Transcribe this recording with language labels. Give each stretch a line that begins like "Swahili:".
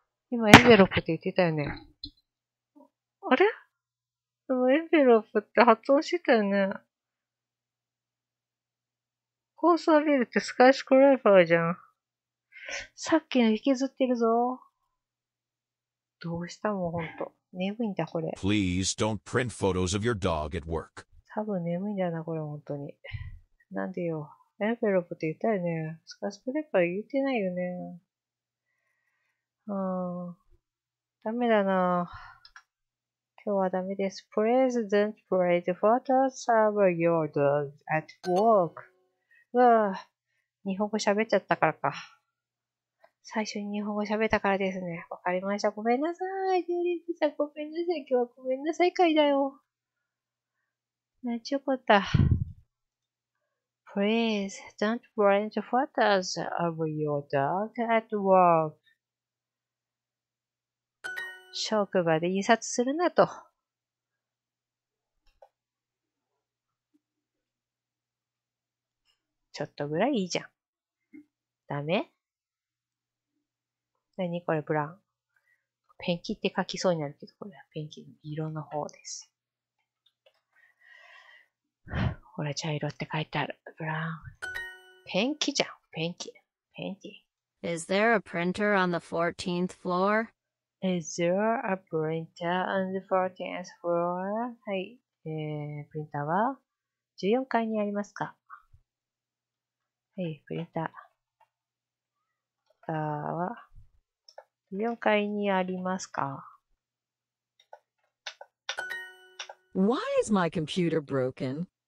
Japanese: 今エンベロップって言ってたよね。あれ？でもエンベロップって発音してたよね。高層ビルってスカイスクライパーじゃん。さっきの引きずってるぞ。どうしたもん、ほんと。眠いんだ、これ。
English: Please don't print photos of your dog at work.
Japanese: 多分眠いんだな、これ、ほんとに。なんでよ。エンベロップって言ったよね。スカイスクライパー言ってないよね。ダメだな。今日はダメです。
English: Please don't print photos of your dog at work.
Japanese: うわぁ、日本語喋っちゃったからか。最初に日本語喋ったからですね。わかりました。ごめんなさい。デュオリンゴさん、ごめんなさい。今日はごめんなさい会だよ。なんちゅうこった。
English: Please don't print photos of your dog at work.
Japanese: 職場で印刷するなと。ちょっとぐらいいいじゃん。ダメ？何これブラウン。ペンキって書きそうになるけど、これはペンキの色の方です。ほら、茶色って書いてある。ブラウン。ペンキじゃん。ペンキ。ペンキ。
English: Is there a printer on the 14th floor? Is there a printer on the 14th floor?
Japanese: はい。プリンターは14階にありますか？はい、プリンター。ターは14階にありますか？
English: Why is my computer broken?